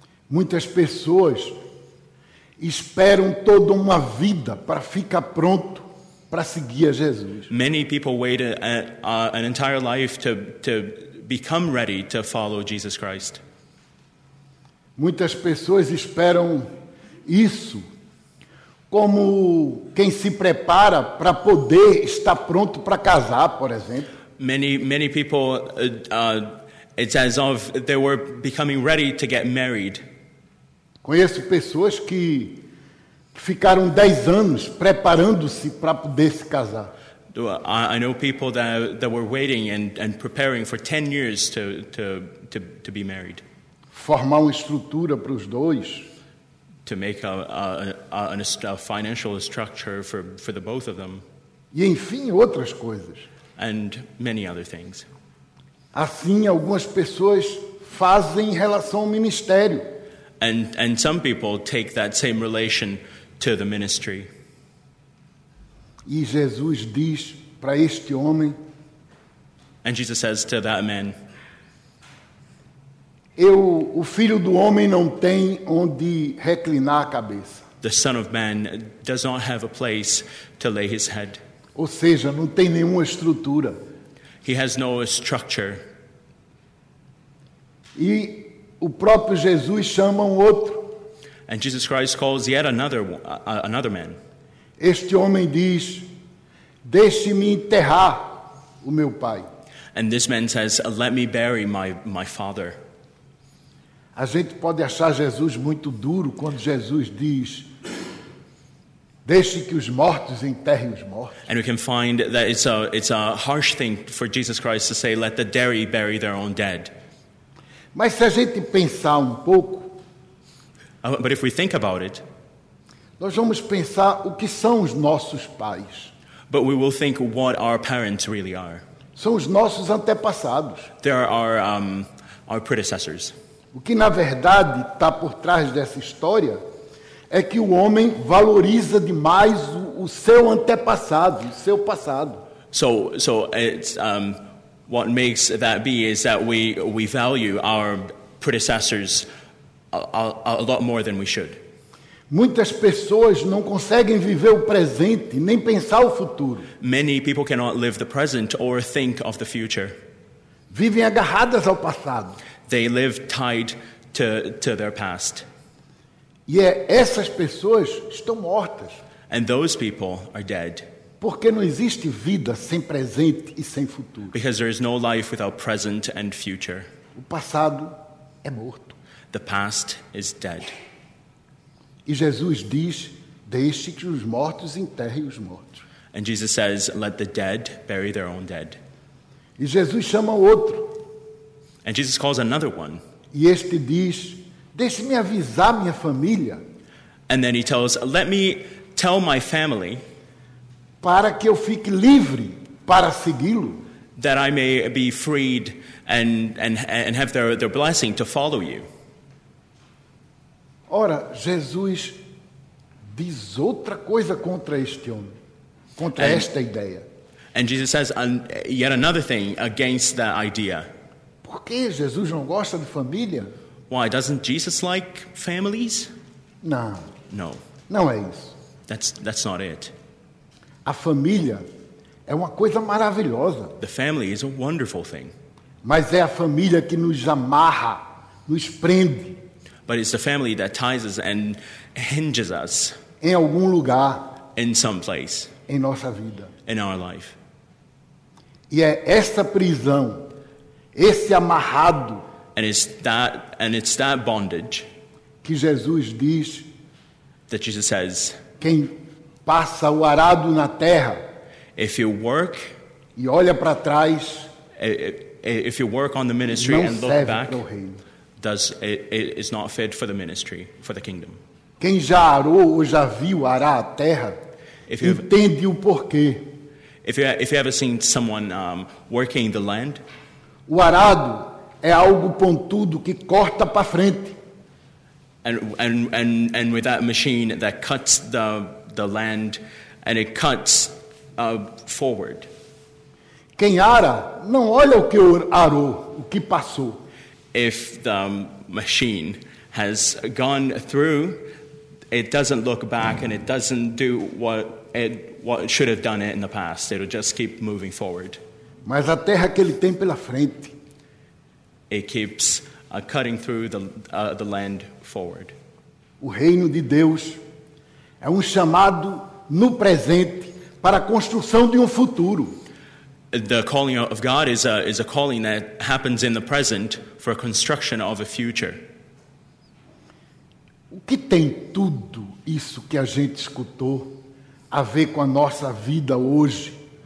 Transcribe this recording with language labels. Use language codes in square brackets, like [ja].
[pt] Muitas pessoas esperam toda uma vida para ficar pronto para seguir a Jesus. [en] Many people wait an entire life to become ready to follow Jesus Christ. [pt] Muitas pessoas esperam isso como quem se prepara para poder estar pronto para casar, por exemplo. [en] Many people it's as if they were becoming ready to get married. [pt] Conheço pessoas que ficaram 10 anos preparando-se para poder se casar. [en] I know people that were waiting and preparing for 10 years to be married. [pt] Formar uma estrutura para os dois. [en] To make a financial structure for the both of them. [pt] E enfim, outras coisas. [en] And many other things. [pt] Assim, algumas pessoas fazem em relação ao ministério. [en] And some people take that same relation to the ministry. [pt] E Jesus diz para este homem, [en] and Jesus says to that man, [pt] o filho do homem não tem onde reclinar a cabeça. [en] The son of man does not have a place to lay his head. [pt] Ou seja, não tem nenhuma estrutura. [en] He has no structure. [pt] E o próprio Jesus chama um outro. [en] And Jesus Christ calls yet another man. [pt] Este homem diz, deixe-me enterrar o meu pai. [en] And this man says, let me bury my father. [pt] A gente pode achar Jesus muito duro quando Jesus diz, deixe que os mortos enterrem os mortos. [en] And we can find that it's a harsh thing for Jesus Christ to say, let the dead bury their own dead. [pt] Mas se a gente pensar um pouco, [en] but if we think about it, [pt] nós vamos pensar o que são os nossos pais. [en] But we will think what our parents really are. [pt] São os nossos antepassados. [en] They are our predecessors. [pt] O que na verdade está por trás dessa história é que o homem valoriza demais o seu antepassado, o seu passado. [en] So it's what makes that be is that we value our predecessors a lot more than we should. [pt] Muitas pessoas não conseguem viver o presente nem pensar o futuro. [en] Many people cannot live the present or think of the future. [pt] Vivem agarradas ao passado. [en] They live tied to their past. [pt] E essas pessoas estão mortas. [en] And those people are dead. [pt] Porque não existe vida sem presente e sem futuro. [en] Because there is no life without present and future. [pt] O passado é morto. [en] The past is dead. [pt] E Jesus diz, deixe que os mortos enterrem os mortos. [en] And Jesus says, let the dead bury their own dead. [pt] E Jesus chama outro. [en] And Jesus calls another one. [pt] E este diz, deixe-me avisar minha família. [en] And then he tells, let me tell my family. [pt] para que eu fique livre para segui-lo. [en] That I may be freed and have their blessing to follow you. [pt] Ora, Jesus diz outra coisa contra este homem, contra esta ideia. [en] And Jesus says yet another thing against that idea. [pt] Por que Jesus não gosta de família? [en] Why doesn't Jesus like families? [pt] Não. [en] No. [pt] Não é isso. [en] That's not it. [pt] A família é uma coisa maravilhosa. [en] The family is a wonderful thing. [pt] Mas é a família que nos amarra, nos prende. [en] But it's the family that ties us and hinges us. [pt] Em algum lugar. [en] In some place. [pt] Em nossa vida. [en] In our life. [pt] E é essa prisão, esse amarrado. [en] And it's that bondage. [pt] Que Jesus diz. [en] That Jesus says. [pt] Quem passa o arado na terra. [en] If you work. [pt] E olha para trás. [en] If you work on the ministry and look back. It is not fit for the ministry, for the kingdom. [pt] Quem já arou ou já viu arar a terra, entende o porquê. [en] If you ever seen someone working the land, [pt] o arado é algo pontudo que corta para frente. [en] And with that machine that cuts the land and it cuts forward. [pt] Quem ara não olha o que arou, o que passou. [en] If the machine has gone through, it doesn't look back and it doesn't do what it should have done it in the past. It'll just keep moving forward. [pt] Mas a terra que ele tem pela frente, [en] it keeps cutting through the land forward. [pt] O reino de Deus é um chamado no presente para a construção de um futuro. [en] The calling of God is a calling that happens in the present for a construction of a future. [pt] O que tem tudo isso que a gente escutou a ver com a nossa vida hoje,